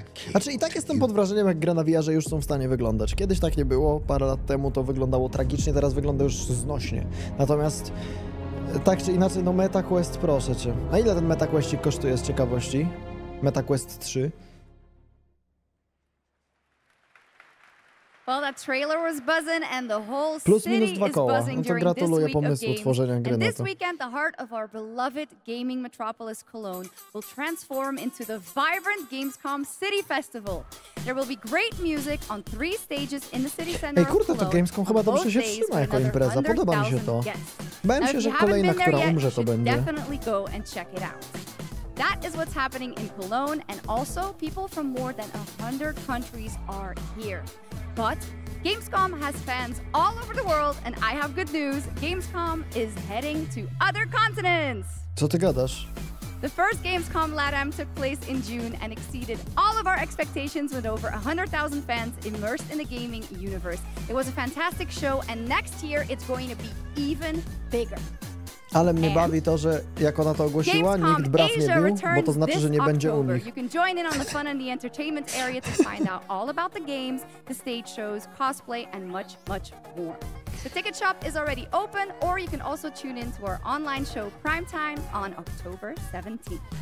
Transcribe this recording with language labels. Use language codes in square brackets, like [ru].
[pl] Znaczy i tak jestem pod wrażeniem, jak gra na VR-ze już są w stanie wyglądać. Kiedyś tak nie było, parę lat temu to wyglądało tragicznie, teraz wygląda już znośnie. Natomiast... Tak czy inaczej, no MetaQuest, proszę cię. A ile ten MetaQuest kosztuje z ciekawości? MetaQuest 3. [en] Well, that trailer was buzzing, and the whole city is buzzing during this week of games. And this weekend, the heart of our beloved gaming metropolis, Cologne, will transform into the vibrant Gamescom City Festival. There will be great music on three stages in the city center. [pl] Ej, kurde, to Gamescom chyba dobrze się trzyma jako impreza. Podoba mi się to. Bałem się, że kolejna, która umrze, to będzie. [en] Definitely go and check it out. That is what's happening in Cologne, and also people from more than 100 countries are here. But Gamescom has fans all over the world, and I have good news. Gamescom is heading to other continents. [pl] Co ty gadasz? [en] The first Gamescom LATAM took place in June and exceeded all of our expectations with over 100,000 fans immersed in the gaming universe. It was a fantastic show, and next year it's going to be even bigger. [pl] Ale mnie bawi to, że jak ona to ogłosiła, [en] Gamescom [pl] nikt braw [en] Asia [pl] nie bił, bo to znaczy, że nie będzie u nich. [en] You can join in on the fun and the entertainment area to find out all about the games, the stage shows, cosplay and much, much more. The ticket shop is already open, or you can also tune in to our online show Primetime on October 17th.